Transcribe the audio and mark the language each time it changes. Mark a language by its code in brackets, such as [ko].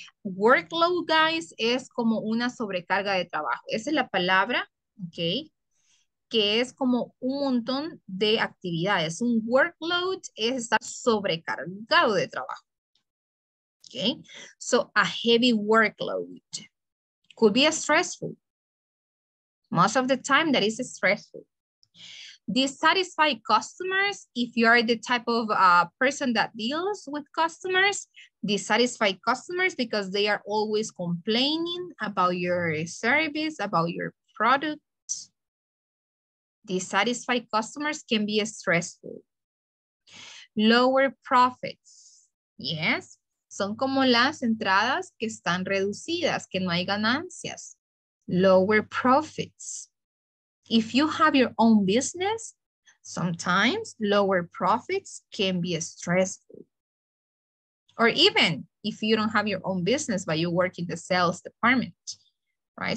[es] Workload, guys, es como una sobrecarga de trabajo. Esa es la palabra, okay, que es como un montón de actividades. Un workload es estar sobrecargado de trabajo. [en] Okay, so a heavy workload could be stressful. Most of the time, that is stressful. Dissatisfied customers, if you are the type of person that deals with customers, dissatisfied customers because they are always complaining about your service, about your product. Dissatisfied customers can be stressful. Lower profits, yes. [es] Son como las entradas que están reducidas, que no hay ganancias. [en] Lower profits. If you have your own business, sometimes lower profits can be stressful. Or even if you don't have your own business, but you work in the sales department, right?